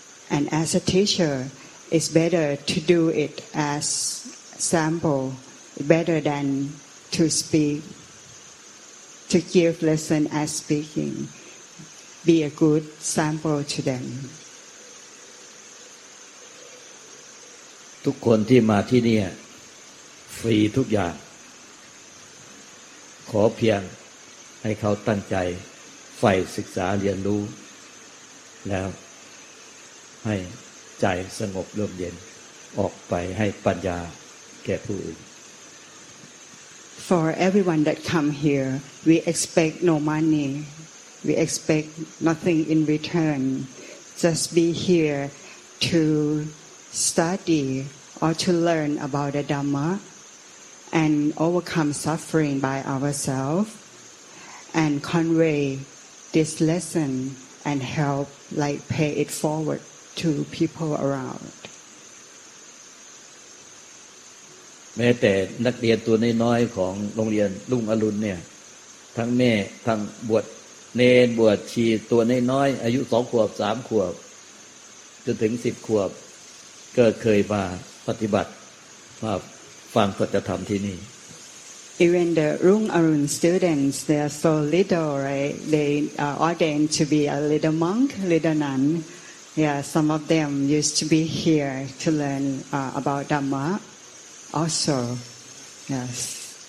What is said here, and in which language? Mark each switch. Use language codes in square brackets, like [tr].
[en] And as a teacher, it's better to do it as sample, better than to speak, to give lesson as speaking, be a good sample to them. [th] ทุกคนที่มาที่นี่ฟรีทุกอย่างขอเพียงให้เขาตั้งใจใฝ่ศึกษาเรียนรู้แล้วให้ใจสงบร่มเย็นออกไปให้ปัญญาแก่ผู้อื่น [en] For everyone that come here we expect no money we expect nothing in return just be here toStudy or to learn about the Dhamma and overcome suffering by ourselves and convey this lesson and help like pay it forward to people around. [th] แม้แต่นักเรียนตัวน้อยของโรงเรียนลุงอรุณเนี่ยทั้งแม่ทั้งบวชเนนบวชชีตัวน้อยอายุ2ขวบ3ขวบจนถึง10ขวบก็เคยมาปฏิบัติมาฟังสัจธรรมที่นี่ [en] Even the Rung Arun students, they are so little, right? They are ordained to be a little monk, little nun. Yeah, some of them used to be here to learn about Dhamma also. Yes.